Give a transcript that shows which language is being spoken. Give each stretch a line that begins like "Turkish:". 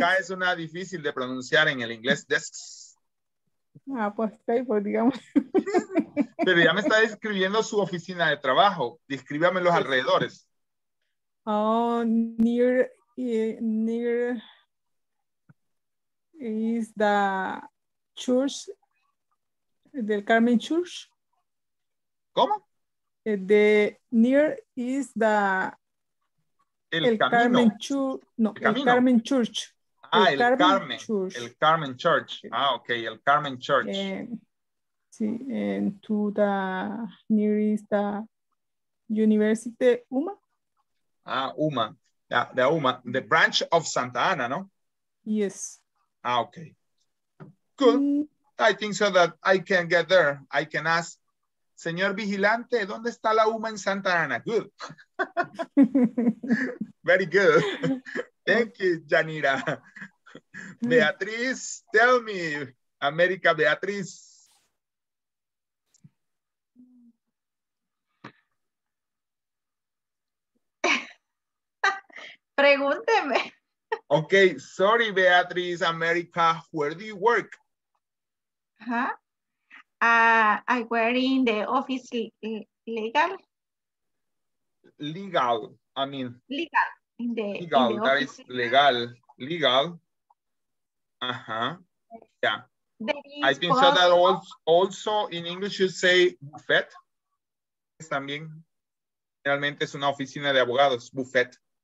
Spanish: K es una difícil de pronunciar en el inglés, desks. Ah, pues, table, digamos. Pero ya me está describiendo su oficina de trabajo. Descríbame los alrededores.
English: Oh, near is the church, del Carmen Church.
Spanish: ¿Cómo?
English: The near is the...
Spanish: El Carmen Church. Ah, el Carmen Church. Ah, okay, el Carmen Church.
English: Sí, and to the nearest the University UMA. Ah, UMA. The UMA, the branch of Santa Ana, no? Yes. Ah, okay. Good. I think so that I can get there. I can ask,
Spanish: señor vigilante, ¿dónde está la UMA en Santa Ana?
English: Good. Very good. Thank you, Yanira. Beatriz, tell me, America Beatriz.
Spanish: Pregúnteme.
English: Okay, sorry, Beatriz, America, where do you work? Huh? I work in the office legal. Legal, I mean. Legal. Legal. Uh-huh. Yeah. I think so that also in English you say buffet.
Spanish: Es también realmente es una oficina de abogados, buffet.